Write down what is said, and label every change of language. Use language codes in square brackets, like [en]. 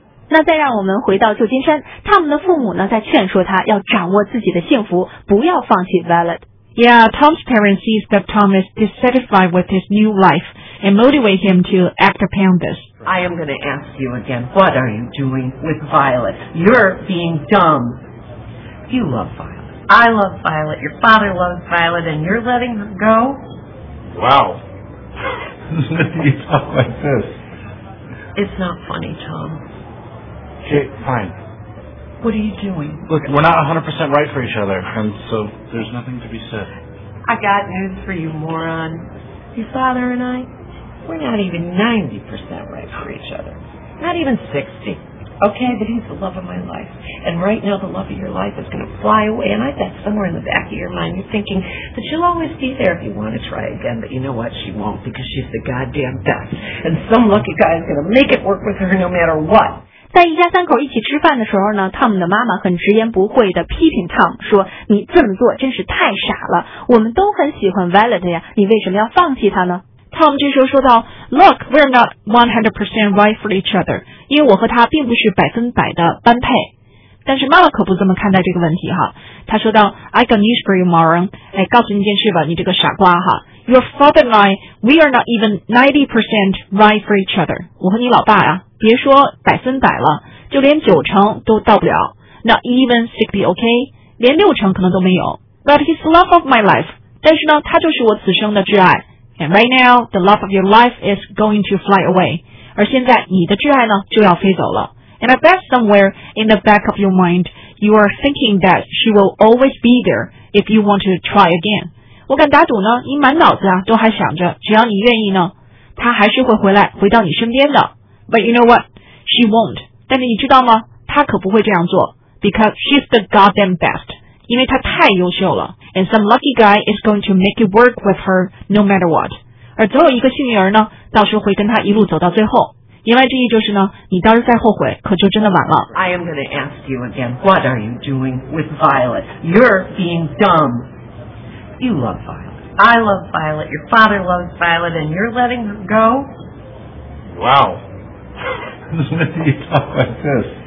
[zh] 那再让我们回到旧金山，他们的父母呢在劝说他要掌握自己的幸福，不要放弃 Valet. [en] Yeah, Tom's parents see that Tom is dissatisfied with his new life and motivate him to act upon this. I am going to ask you again, what are you doing with Violet? You're being dumb. You love Violet. I love Violet. Your father loves Violet, and you're letting her go? Wow. What do you talk like this? It's not funny, Tom. Okay, fine. What are you doing? Look, we're not 100% right for each other, and so there's nothing to be said. I got news for you, moron. Your father and I... We're not even 90% right for each other. Not even 60. Okay, but he's the love of my life. And right now, the love of your life is going to fly away. And I bet somewhere in the back of your mind, you're thinking that she'll always be there if you want to try again. But you know what? She won't, because she's the goddamn best. And some lucky guy is going to make it work with her no matter what. [zh] 在一家三口一起吃饭的时候呢，汤姆的妈妈很直言不讳地批评汤姆说，你这么做真是太傻了，我们都很喜欢 Violet 呀，你为什么要放弃她呢？ Tom 这时候说到 [en] Look, we're not 100% right for each other. [zh] 因为我和他并不是百分百的般配。但是妈妈可不这么看待这个问题哈。她说道 [en] I got news for you, Maron. [zh] 哎，告诉你一件事吧，你这个傻瓜哈。 [en] Your father and I, we are not even 90% right for each other. [zh] 我和你老爸呀，别说百分百了，就连九成都到不了。 [en] Not even 60, okay? [zh] 连六成可能都没有。 [en] But he's the love of my life. [zh] 但是呢，他就是我此生的挚爱。 [en] And right now, the love of your life is going to fly away. [zh] 而现在，你的挚爱呢，就要飞走了。 [en] And I bet somewhere in the back of your mind, you are thinking that she will always be there if you want to try again. [zh] 我敢打赌呢，你满脑子啊，都还想着，只要你愿意呢，她还是会回来，回到你身边的。 [en] But you know what? She won't. [zh] 但是你知道吗？她可不会这样做。 [en] Because she's the goddamn best. [zh] 因为她太优秀了。 [en] And some lucky guy is going to make it work with her no matter what. [zh] 而总有一个幸运儿呢，到时候会跟她一路走到最后。言外之意就是呢，你到时候再后悔，可就真的晚了。 [en] I am going to ask you again, what are you doing with Violet? You're being dumb. You love Violet. I love Violet. Your father loves Violet, and you're letting her go? Wow. What do you talk like this?